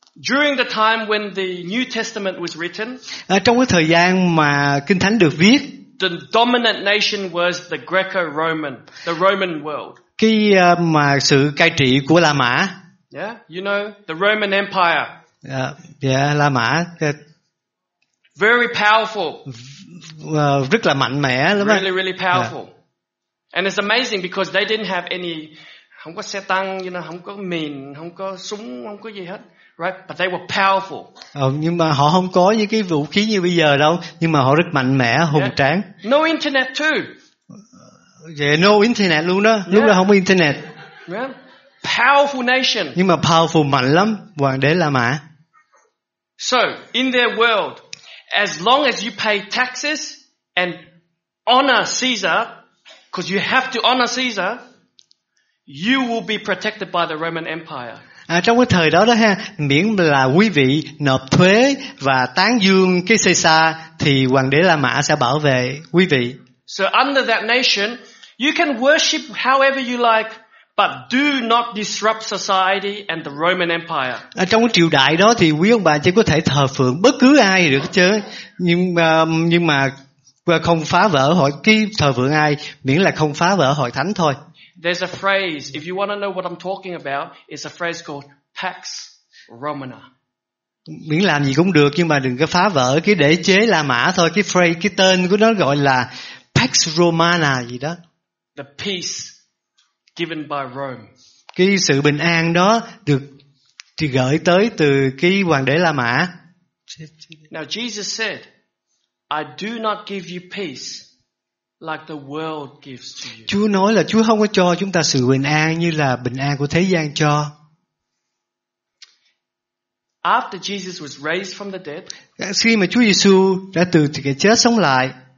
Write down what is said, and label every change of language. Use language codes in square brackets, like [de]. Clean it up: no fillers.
[en] During the time when the New Testament was written, [vi] trong cái thời gian mà Kinh Thánh được viết, [en] the dominant nation was the Greco-Roman, the Roman world. [vi] Cái mà sự cai trị của La Mã. [en] Yeah, you know, the Roman Empire. [vi] Yeah, La Mã. [en] Very powerful. [vi] Rất là mạnh mẽ lắm. [en] Really, really powerful. Yeah. And it's amazing because they didn't have any, [vi] không có xe tăng, [en] you know, [vi] không có mìn, không có súng, không có gì hết. [en] Right, but they were powerful. [vi] Nhưng mà họ không có những cái vũ khí như bây giờ đâu, nhưng mà họ rất mạnh mẽ, hùng yeah. tráng. [en] No internet too. Yeah, no internet [vi] luôn đó. Yeah. Lúc đó không có internet. [en] Yeah. Powerful nation. [vi] Nhưng mà [en] powerful [vi] mạnh lắm, hoàng đế La Mã. [en] So, in their world, as long as you pay taxes and honor Caesar, because you have to honor Caesar, you will be protected by the Roman Empire. [vi] Trong cái thời đó đó ha, miễn là quý vị nộp thuế và tán dương cái Caesar thì hoàng đế La Mã sẽ bảo vệ quý vị. [en] So under that nation, you can worship however you like, but do not disrupt society and the Roman Empire. [vi] Trong cái triều đại đó thì quý ông bà chỉ có thể thờ phượng bất cứ ai được chứ, nhưng mà không phá vỡ hội cái thờ phượng ai, miễn là không phá vỡ hội thánh thôi. [en] There's a phrase, if you want to know what I'm talking about, it's a phrase called Pax Romana. [vi] Miễn làm gì cũng được, nhưng mà đừng có phá vỡ cái đế chế La Mã thôi. Cái phrase, cái tên của nó gọi là Pax Romana gì đó. [en] The peace given by Rome. [vi] Cái sự bình an đó được gửi tới từ cái hoàng đế La Mã. [en] Now Jesus said, I do not give you peace like the world gives to you. [vi] Chúa nói là Chúa không có cho chúng ta sự bình an như là bình an của thế gian cho. [en] After Jesus was raised from the dead, [vi] khi mà Chúa Giêsu đã từ cái chết sống lại,